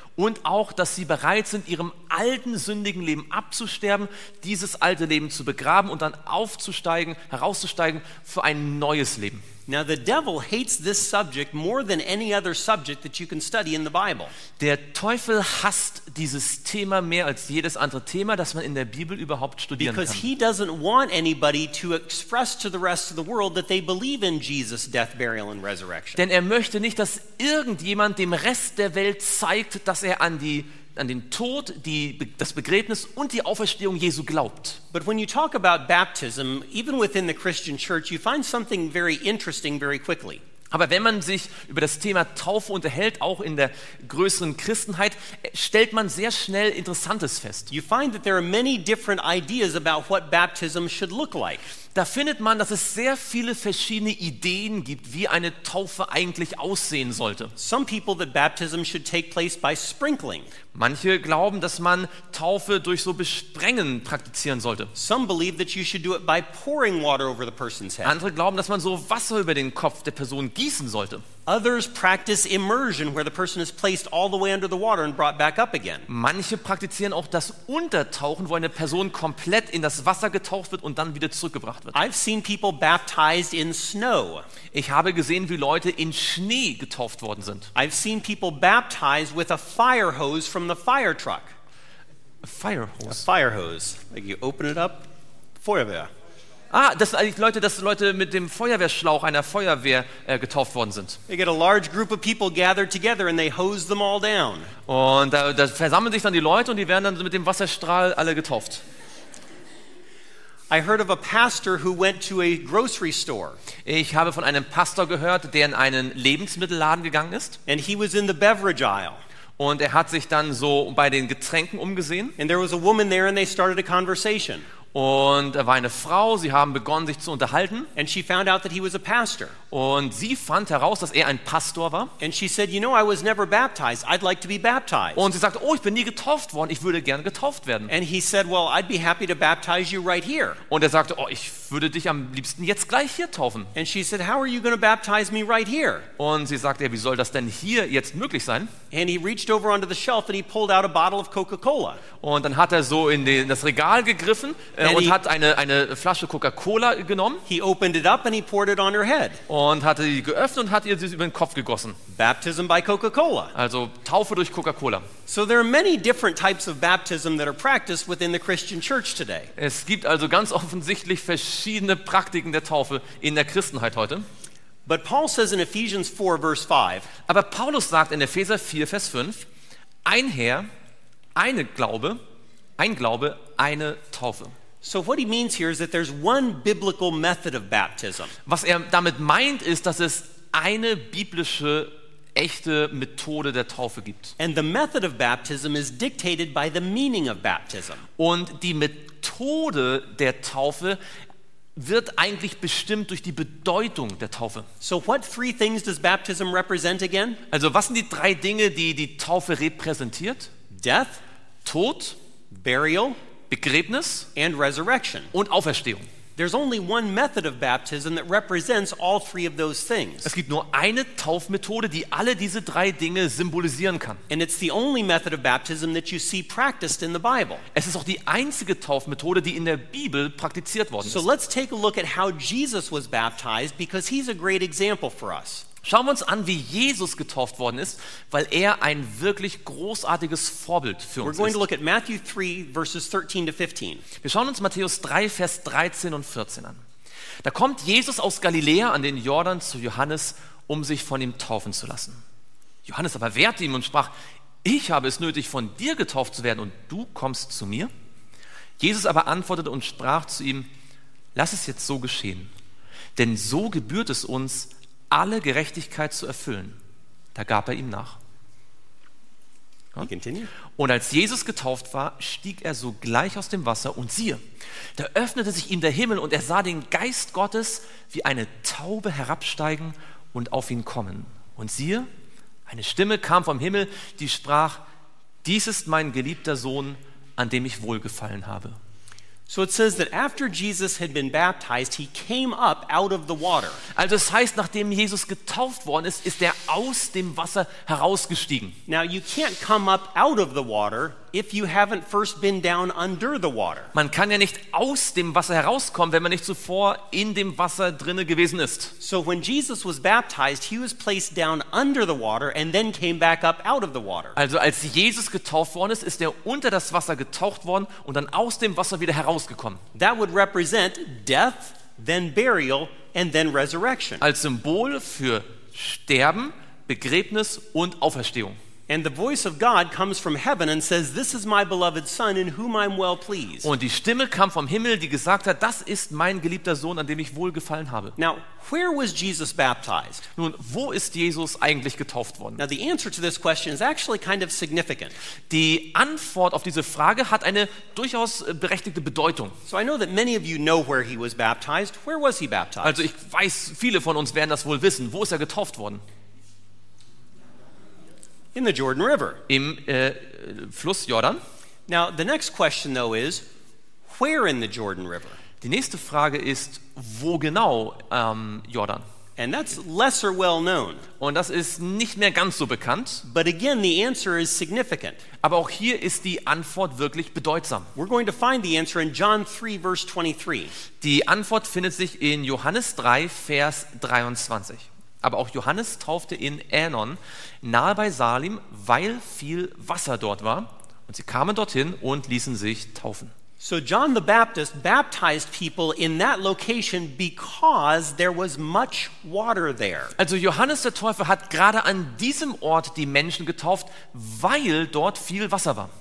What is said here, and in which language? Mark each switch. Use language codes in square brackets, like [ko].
[de] Und auch, dass sie bereit sind, ihrem alten sündigen Leben abzusterben, dieses alte Leben zu begraben und dann aufzusteigen, herauszusteigen für ein neues Leben. [en] Now the devil hates this subject more than any other subject that you can study in the Bible. [de] Der Teufel hasst dieses Thema mehr als jedes andere Thema, das man in der Bibel überhaupt studieren [en] Because [de] kann. [en] Because he doesn't want anybody to express to the rest of the world that they believe in Jesus' death, burial and resurrection. [de] Denn er möchte nicht, dass irgendjemand dem Rest der Welt zeigt, dass er an den Tod, das Begräbnis und die Auferstehung Jesu glaubt. [en] But when you talk about baptism, even within the Christian church, you find something very interesting very quickly. [de] Aber wenn man sich über das Thema Taufe unterhält, auch in der größeren Christenheit, stellt man sehr schnell Interessantes fest. [en] You find that there are many different ideas about what baptism should look like. [de] Da findet man, dass es sehr viele verschiedene Ideen gibt, wie eine Taufe eigentlich aussehen sollte. [en] Some people that baptism should take place by sprinkling. [de] Manche glauben, dass man Taufe durch so Besprengen praktizieren sollte. [en] Some believe that you should do it by pouring water over the person's head. [de] Andere glauben, dass man so Wasser über den Kopf der Person gießen sollte. [en] Others practice immersion, where the person is placed all the way under the water and brought back up again. [de] Manche praktizieren auch das Untertauchen, wo eine Person komplett in das Wasser getaucht wird und dann wieder zurückgebracht wird. [en] I've seen people baptized in snow. [de] Ich habe gesehen, wie Leute in Schnee getauft worden sind. [en] I've seen people baptized with a fire hose from the fire truck. A fire hose. A fire hose. Like you open it up, Feuerwehr. [de] Ah, dass Leute mit dem Feuerwehrschlauch einer Feuerwehr getauft worden sind. [en] They get a large group of people gathered together and they hose them all down. [de] Und da versammeln sich dann die Leute und die werden dann mit dem Wasserstrahl alle getauft. [en] I heard of a pastor who went to a grocery store. [de] Ich habe von einem Pastor gehört, der in einen Lebensmittelladen gegangen ist. [en] And he was in the beverage aisle. [de] Und er hat sich dann so bei den Getränken umgesehen. [en] And there was a woman there and they started a conversation. [de] Und er war eine Frau, sie haben begonnen sich zu unterhalten. [en] And she found out that he was a pastor. [de] Und sie fand heraus, dass er ein Pastor war. [en] And she said, you know, I was never baptized. I'd like to be baptized. [de] Und sie sagte, oh, ich bin nie getauft worden, ich würde gerne getauft werden. [en] And he said, well, I'd be happy to baptize you right here. [de] Und er sagte, oh, ich würde dich am liebsten jetzt gleich hier taufen. [en] And she said, how are you going to baptize me right here? [de] Und sie sagte, wie soll das denn hier jetzt möglich sein? [en] And he reached over onto the shelf and he pulled out a bottle of Coca-Cola. [de] Und dann hat er so in das Regal gegriffen. Und hat eine Flasche Coca-Cola genommen. [en] He opened it up and he poured it on her head. [de] Und hatte sie geöffnet und hat ihr sie über den Kopf gegossen. [en] Baptism by Coca-Cola. [de] Also Taufe durch Coca-Cola. [en] So there are many different types of baptism that are practiced within the Christian church today. [de] Es gibt also ganz offensichtlich verschiedene Praktiken der Taufe in der Christenheit heute. [en] But Paul says in Ephesians 4 verse 5. [de] Aber Paulus sagt in Epheser 4 Vers 5: Ein Herr, eine Glaube, ein Glaube, eine Taufe. [en] So what he means here is that there's one biblical method of baptism. [de] Was er damit meint, ist, dass es eine biblische echte Methode der Taufe gibt. [en] And the method of baptism is dictated by the meaning of baptism. [de] Und die Methode der Taufe wird eigentlich bestimmt durch die Bedeutung der Taufe. [en] So what three things does baptism represent again? [de] Also was sind die drei Dinge, die die Taufe repräsentiert? [en] Death, [de] Tod, [en] Burial, [de] Begräbnis [en] and Resurrection. [de] Und Auferstehung. [en] There's only one method of baptism that represents all three of those things. [de] Es gibt nur eine Taufmethode, die alle diese drei Dinge symbolisieren kann. [en] And it's the only method of baptism that you see practiced in the Bible. [de] Es ist auch die einzige Taufmethode, die in der Bibel praktiziert worden ist. [en] So let's take a look at how Jesus was baptized, because he's a great example for us. [de] Schauen wir uns an, wie Jesus getauft worden ist, weil er ein wirklich großartiges Vorbild für uns ist. [en] We're going to look at Matthew 3, verses 13 to 15. [de] Wir schauen uns Matthäus 3, Vers 13 und 14 an. Da kommt Jesus aus Galiläa an den Jordan zu Johannes, um sich von ihm taufen zu lassen. Johannes aber wehrte ihm und sprach: Ich habe es nötig, von dir getauft zu werden, und du kommst zu mir? Jesus aber antwortete und sprach zu ihm: Lass es jetzt so geschehen, denn so gebührt es uns, alle Gerechtigkeit zu erfüllen. Da gab er ihm nach. Und als Jesus getauft war, stieg er sogleich aus dem Wasser, und siehe, da öffnete sich ihm der Himmel, und er sah den Geist Gottes wie eine Taube herabsteigen und auf ihn kommen. Und siehe, eine Stimme kam vom Himmel, die sprach: Dies ist mein geliebter Sohn, an dem ich wohlgefallen habe. [en] So it says that after Jesus had been baptized, he came up out of the water. [de] Also es heißt, nachdem Jesus getauft worden ist, ist er aus dem Wasser herausgestiegen. [en] Now you can't come up out of the water if you haven't first been down under the water. [de] Man kann ja nicht aus dem Wasser herauskommen, wenn man nicht zuvor in dem Wasser drinne gewesen ist. [en] So when Jesus was baptized, he was placed down under the water and then came back up out of the water. [de] Also als Jesus getauft worden ist, ist er unter das Wasser getaucht worden und dann aus dem Wasser wieder herausgekommen. [en] That would represent death, then burial and then resurrection. [de] Als Symbol für Sterben, Begräbnis und Auferstehung. [en] And the voice of God comes from heaven and says, "This is my beloved Son, in whom I'm well pleased." [de] Und die Stimme kam vom Himmel, die gesagt hat, das ist mein geliebter Sohn, an dem ich wohlgefallen habe. [en] Now, where was Jesus baptized? [de] Nun, wo ist Jesus eigentlich getauft worden? [en] Now, the answer to this question is actually kind of significant. [de] Die Antwort auf diese Frage hat eine durchaus berechtigte Bedeutung. [en] So, I know that many of you know where he was baptized. Where was he baptized? [de] Also, ich weiß, viele von uns werden das wohl wissen. Wo ist er getauft worden? [en] In the Jordan River. [de] Im Fluss Jordan. [en] Now the next question though is, where in the Jordan River? [de] Die nächste Frage ist, wo genau Jordan? [en] And that's lesser well known. [de] Und das ist nicht mehr ganz so bekannt. [en] But again, the answer is significant. [de] Aber auch hier ist die Antwort wirklich bedeutsam. [en] We're going to find the answer in John 3, verse 23. [de] Die Antwort findet sich in Johannes 3, Vers 23. Aber auch Johannes taufte in Änon, nahe bei Salim, weil viel Wasser dort war. Und sie kamen dorthin und ließen sich taufen. [en] So John the Baptist baptized people in that location because there was much water there. [de] Also Johannes der Täufer hat gerade an diesem Ort die Menschen getauft, weil dort viel Wasser war.